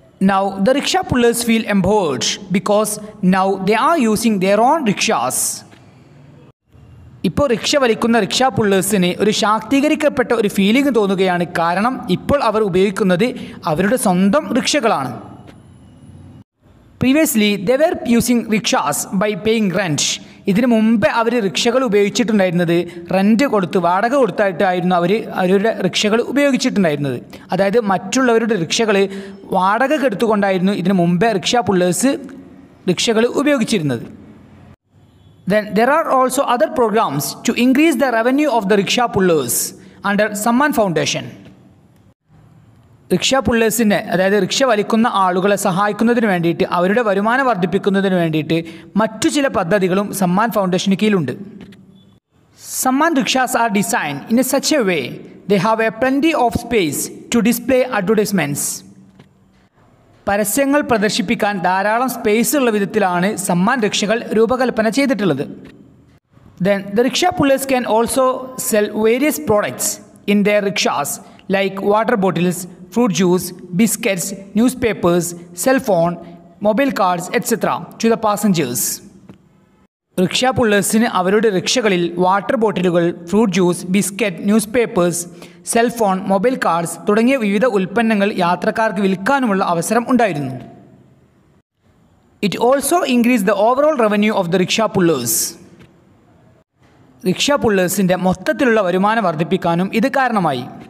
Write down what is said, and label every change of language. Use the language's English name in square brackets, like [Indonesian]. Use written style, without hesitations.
[English] Now the rickshaw pullers feel empowered because now they are using their own rickshaws. [Malayalam] ഇപ്പോൾ rickshaw വലിക്കുന്ന rickshaw പുള്ളേഴ്സിന് ഒരു ശാക്തീകരിക്കപ്പെട്ട ഒരു feeling തോന്നുകയാണ്. കാരണം ഇപ്പോൾ അവർ ഉപയോഗിക്കുന്നത് അവരുടെ സ്വന്തം റിക്ഷകളാണ്. [English] Previously, they were using rickshaws by paying rent. [Malayalam] ഇതിന് മുമ്പേ അവർ റിക്ഷകൾ ഉപയോഗിച്ചിട്ടുണ്ടായിരുന്നത് റെൻറ്റ് കൊടുത്ത്, വാടക കൊടുത്തായിട്ടായിരുന്നു അവർ അവരുടെ റിക്ഷകൾ ഉപയോഗിച്ചിട്ടുണ്ടായിരുന്നത്. അതായത് മറ്റുള്ളവരുടെ റിക്ഷകൾ വാടക കെടുത്തുകൊണ്ടായിരുന്നു ഇതിന് മുമ്പേ റിക്ഷാ പുള്ളേഴ്സ് റിക്ഷകൾ ഉപയോഗിച്ചിരുന്നത്. [English] Then there are also other programs to increase the revenue of the rickshaw pullers under Samman Foundation. [Malayalam] Rickshaw പുള്ളേഴ്സിൻ്റെ, അതായത് റിക്ഷ വലിക്കുന്ന ആളുകളെ സഹായിക്കുന്നതിന് വേണ്ടിയിട്ട്, അവരുടെ വരുമാനം വർദ്ധിപ്പിക്കുന്നതിന് വേണ്ടിയിട്ട് മറ്റു ചില പദ്ധതികളും Samman ഫൗണ്ടേഷന് കീഴിലുണ്ട്. [English] Samman rickshaws are design in a such a way they have a plenty of space to display advertisements. [Malayalam] പരസ്യങ്ങൾ പ്രദർശിപ്പിക്കാൻ ധാരാളം സ്പേസ് ഉള്ള വിധത്തിലാണ് സമ്മാൻ റിക്ഷകൾ രൂപകൽപ്പന ചെയ്തിട്ടുള്ളത്. [English] Then the rickshaw pullers can also sell various products in their rickshaws like water bottles, fruit juice, biscuits, newspapers, cell phone, mobile cards, etc. to the passengers. [Malayalam] Rickshaw പുള്ളേഴ്സിന് അവരുടെ റിക്ഷകളിൽ water ബോട്ടിലുകൾ, fruit juice, biscuit, news papers, cellphone, mobile cards തുടങ്ങിയ വിവിധ ഉൽപ്പന്നങ്ങൾ യാത്രക്കാർക്ക് വിൽക്കാനുമുള്ള അവസരം ഉണ്ടായിരുന്നു. [English] It also increase the overall revenue of the rickshaw pullers. [Malayalam] Rickshaw പുള്ളേഴ്സിൻ്റെ മൊത്തത്തിലുള്ള വരുമാനം വർദ്ധിപ്പിക്കാനും ഇത് കാരണമായി.